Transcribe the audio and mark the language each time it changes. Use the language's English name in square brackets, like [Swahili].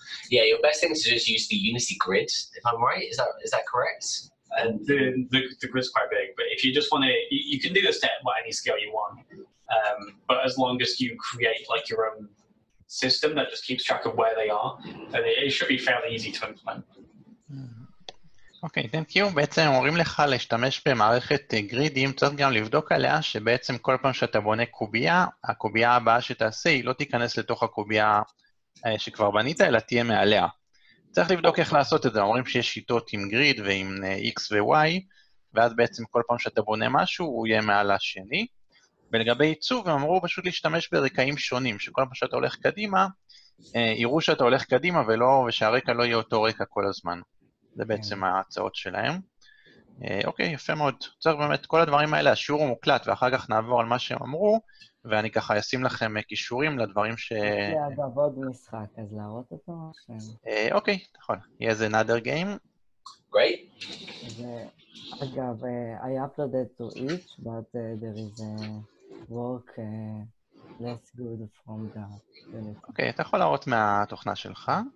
[English] Yeah, your best thing is to just use the Unity grid, if I'm right. Is that correct? The grid's quite big, but if you just want to, you can do this at any scale you want. But as long as you create like your own system that just keeps track of where they are, and it should be fairly easy to implement. [Hebrew] אוקיי, תן קיום, בעצם אומרים לך להשתמש במערכת גרידים, צריך גם לבדוק עליה שבעצם כל פעם שאתה בונה קובייה, הקובייה הבאה שתעשה היא לא תיכנס לתוך הקובייה שכבר בנית, אלא תהיה מעליה. צריך לבדוק איך לעשות את זה, אומרים שיש שיטות עם גריד ועם X ו-Y, ואז בעצם כל פעם שאתה בונה משהו הוא יהיה מעל השני. ולגבי עיצוב, הם אמרו פשוט להשתמש ברקעים שונים, שכל פעם שאתה הולך קדימה, יראו שאתה הולך קדימה ולא, ושהרקע לא יהיה אותו רקע כל הזמן. זה בעצם ההצעות שלהם. אוקיי, יפה מאוד. צריך באמת כל הדברים האלה, השיעור הוא מוקלט, ואחר כך נעבור על מה שהם אמרו, ואני ככה אשים לכם קישורים לדברים ש... יש לי אגב עוד משחק, אז להראות אותו משהו. אוקיי, נכון. יהיה זה another game. [English] Great. ואגב, I uploaded to each, but there is a work less good from that. [Hebrew] אוקיי, אתה יכול להראות מהתוכנה שלך.